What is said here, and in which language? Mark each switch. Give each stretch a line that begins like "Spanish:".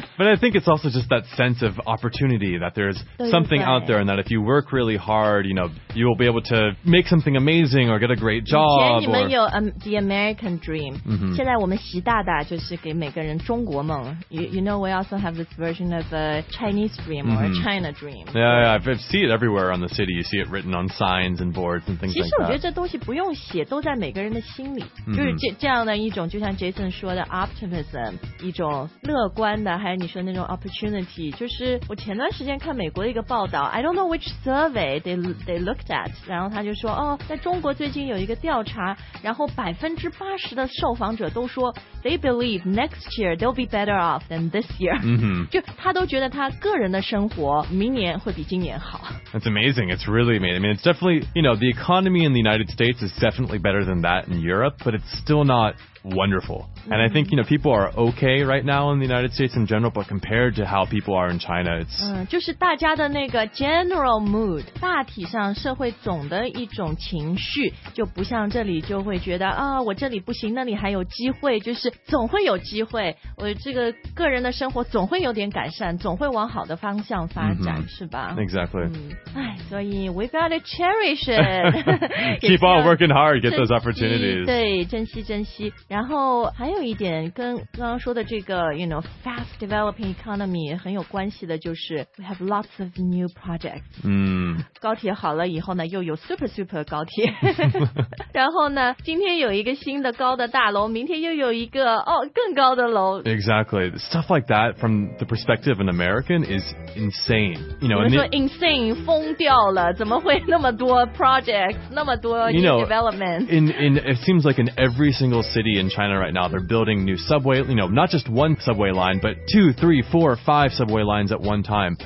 English: But I think it's also just that sense of opportunity that there's something out there, and that if you work really hard, you know, you will be able to make something amazing or get a great job.
Chinese: 以前你们有
English: the American dream，
Chinese: 现在我们习大大就是给每个人中国梦。
English: You know, we also have this version of a Chinese dream or a China dream. Yeah, I see it everywhere on the city. You see it written on signs and boards and things like that.
Chinese: 其实我觉得这东西不用写，都在每个人的心里。就是这样的一种，就像 Jason 说的 optimism， 一种乐观的，还有你说的那种 opportunity。就是我前段时间看美国的一个报道 ，
English: I don't know which survey they looked at，
Chinese: 然后他就说，哦，在中国最近有一个调查，然后80%的受访者都说
English: they believe next year they'll be better off than this year。
Chinese: 就他都觉得他个人的生活明年会比今年好。
English: That's amazing. It's really amazing. I mean, it's definitely, you know, the economy in the United States is definitely better than that in Europe, but it's still not wonderful. And I think, you know, people are okay right now in the United States in general, but compared to how people are in China, it's...
Chinese: 就是大家的那个 general mood, 大体上社会总的一种情绪，就不像这里就会觉得啊，我这里不行，那里还有机会，就是总会有机会，我这个个人的生活总会有点改善，总会往好的方向发展，是吧？
English: Exactly.
Chinese: 所以
English: we've got to cherish it. Keep on working hard, get those opportunities.
Chinese: 对，珍惜珍惜。然后还有一点跟刚刚说的这个
English: you know, fast developing economy
Chinese: 很有关系的，就是
English: we have lots of new projects.
Chinese: 高铁好了以后呢，又有 super super 高铁。然后呢，今天有一个新的高的大楼，明天又有一个哦更高的楼。
English: Exactly. Stuff like that from the perspective of an American is insane. You know,
Chinese: 我们说 insane, 疯掉了，怎么会那么多 projects, 那么多 new
English: you know, development? It seems like in every single city in China right now, they're building new subway, you know, not just one subway line, but 2, 3, 4, 5 subway lines at one time.